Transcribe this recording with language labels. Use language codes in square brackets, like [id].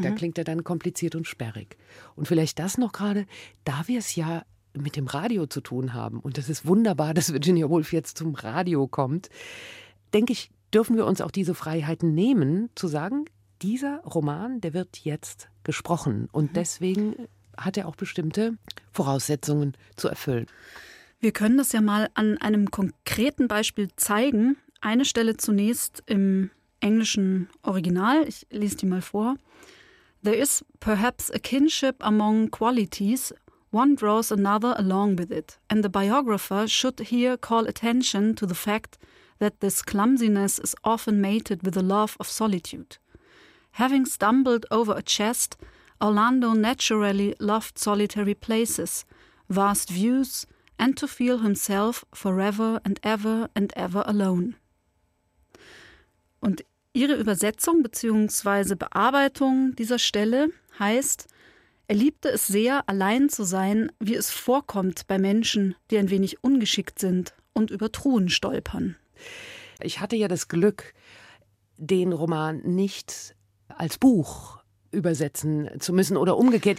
[de] Mhm. Da klingt er dann kompliziert und sperrig. Und vielleicht das noch gerade, da wir es ja mit dem Radio zu tun haben und es ist wunderbar, dass Virginia Woolf jetzt zum Radio kommt, denke ich, dürfen wir uns auch diese Freiheiten nehmen, zu sagen, dieser Roman, der wird jetzt gesprochen. Und deswegen hat er auch bestimmte Voraussetzungen zu erfüllen. Wir können das ja mal an einem konkreten Beispiel zeigen. Eine Stelle zunächst im englischen Original. Ich lese die mal vor. [en] There is perhaps a kinship among qualities. One draws another along with it. And the biographer should here call attention to the fact that this clumsiness is often mated with a love of solitude. Having stumbled over a chest, Orlando naturally loved solitary places, vast views, and to feel himself forever and ever alone. [de] Und ihre Übersetzung bzw. Bearbeitung dieser Stelle heißt, er liebte es sehr, allein zu sein, wie es vorkommt bei Menschen, die ein wenig ungeschickt sind und über Truhen stolpern. Ich hatte ja das Glück, den Roman nicht als Buch übersetzen zu müssen oder umgekehrt.